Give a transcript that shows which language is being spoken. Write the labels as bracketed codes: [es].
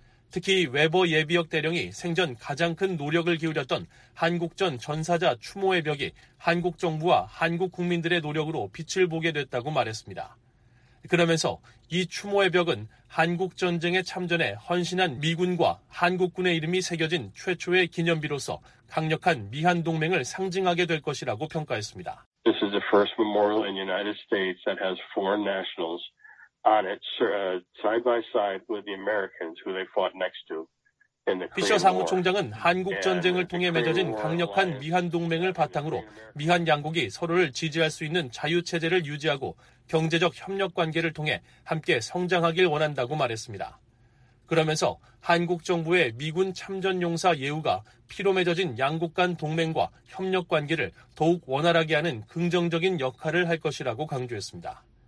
[ko] 특히 웨버 예비역 대령이 생전 가장 큰 노력을 기울였던 한국전 전사자 추모의 벽이 한국 정부와 한국 국민들의 노력으로 빛을 보게 됐다고 말했습니다. 그러면서 이 추모의 벽은 한국전쟁의 참전에 헌신한 미군과 한국군의 이름이 새겨진 최초의 기념비로서 강력한 미한동맹을 상징하게 될 것이라고 평가했습니다. [en] This is the first memorial in the United States that has foreign nationals. On it, side by side with the Americans who they fought next to, [ko] 피셔 사무총장은 한국전쟁을 통해 맺어진 강력한 미한동맹을 바탕으로 미한 양국이 서로를 지지할 수 있는 자유체제를 유지하고 경제적 협력관계를 통해 함께 성장하길 원한다고 말했습니다. 그러면서 한국 정부의 미군 참전용사 예우가 피로 맺어진 양국 간 동맹과 협력관계를 더욱 원활하게 하는 긍정적인 역할을 할 것이라고 강조했습니다.